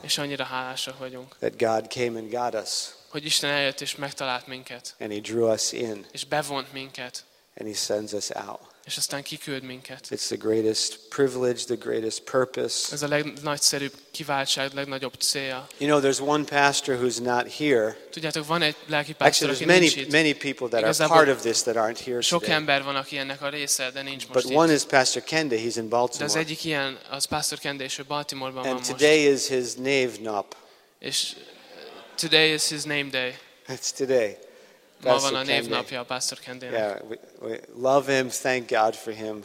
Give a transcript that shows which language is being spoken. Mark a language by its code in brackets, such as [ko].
[hu] És annyira hálásak vagyunk. [en] That God came and got us. [hu] Hogy Isten eljött és megtalált minket. [en] And he drew us in. [hu] És bevont minket. [en] And he sends us out. [hu] És aztán kiküld minket. [en] It's the greatest privilege, the greatest purpose. [hu] Ez a legnagyszerűbb kiváltság, legnagyobb célja. [en] You know, there's one pastor who's not here. [hu] Tudjátok, van egy lelki pásztor, [en] actually, there's many people that are part of this that aren't here. Sok ember van, aki ennek a része, de nincs most. But [hu] itt. [en] One is Pastor Kende. He's in Baltimore. [hu] De az egyik ilyen, az Pastor Kende, és ő Baltimoreban van most. [en] And today is his name nap. És today is his name day. It's today. [hu] Ma van a névnapja a Pastor Kendének. [en] Yeah, we love him, thank God for him.